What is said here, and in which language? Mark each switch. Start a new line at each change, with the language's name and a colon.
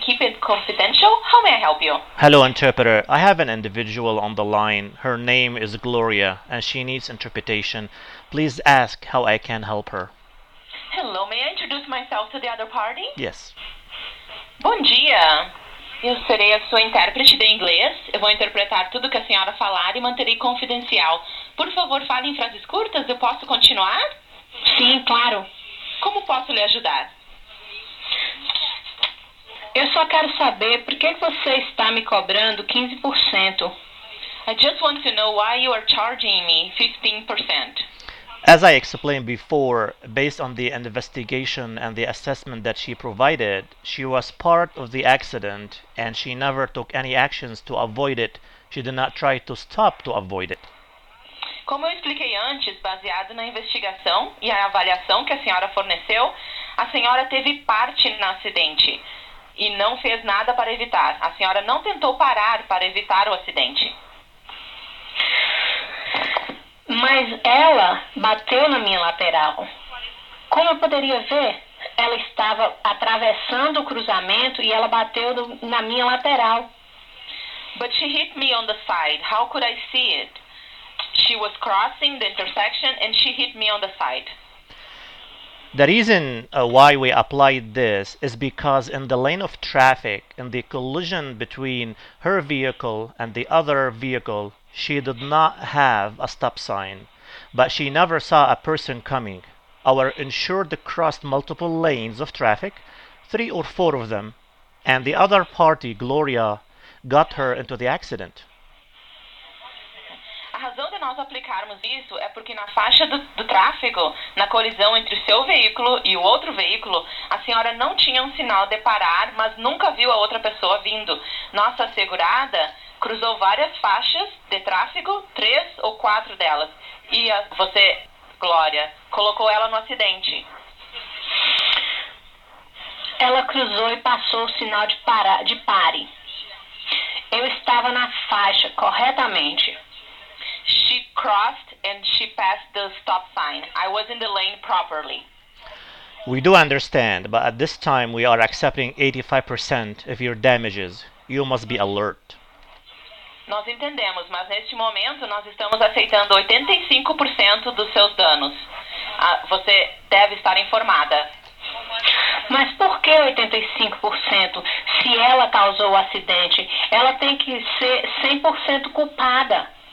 English: Keep it confidential. How may I help you? Hello, interpreter. I have an individual on the line. Her name is Gloria, and she needs interpretation. Please ask how I can help her. Hello, may I introduce myself to the other party? Yes.
Portuguese: Bom dia. Eu serei a sua intérprete de inglês. Eu vou interpretar tudo que a senhora falar e manterei confidencial. Por favor, fale em frases curtas. Eu posso continuar? Sim, claro. Como posso lhe ajudar? Eu só quero saber por que você está me cobrando 15%.
English: I just want to know why you are charging me 15%. As I explained before, based on the investigation and the assessment that she provided, she was part of the accident and she never took any actions to avoid it. She did not try to stop to avoid it.
Portuguese: Como eu expliquei antes, baseado na investigação e a avaliação que a senhora forneceu, a senhora teve parte no acidente e não fez nada para evitar. A senhora não tentou parar para evitar o acidente. Mas ela bateu na minha lateral. Como eu poderia ver? Ela estava atravessando o cruzamento e ela bateu na minha lateral.
English: But she hit me on the side. How could I see it? She was crossing the intersection and she hit me on the side. The reason why we applied this is because in the lane of traffic, in the collision between her vehicle and the other vehicle, she did not have a stop sign, but she never saw a person coming. Our insured crossed multiple lanes of traffic, 3 or 4 of them, and the other party, Gloria, got her into the accident.
Portuguese: Nós aplicarmos isso é porque na faixa do tráfego, na colisão entre o seu veículo e o outro veículo, a senhora não tinha um sinal de parar, mas nunca viu a outra pessoa vindo. Nossa segurada cruzou várias faixas de tráfego, 3 ou 4 delas, e você, Glória, colocou ela no acidente. Ela cruzou e passou o sinal de pare. Eu estava na faixa corretamente.
English: She crossed and she passed the stop sign. I was in the lane properly. We do understand, but at this time we are accepting 85% of your damages. You must be alert.
Portuguese: Nós entendemos, mas neste momento nós estamos aceitando 85% dos seus danos. Você deve estar informada. Mas por que 85%? Se ela causou o acidente, ela tem que ser 100% culpada.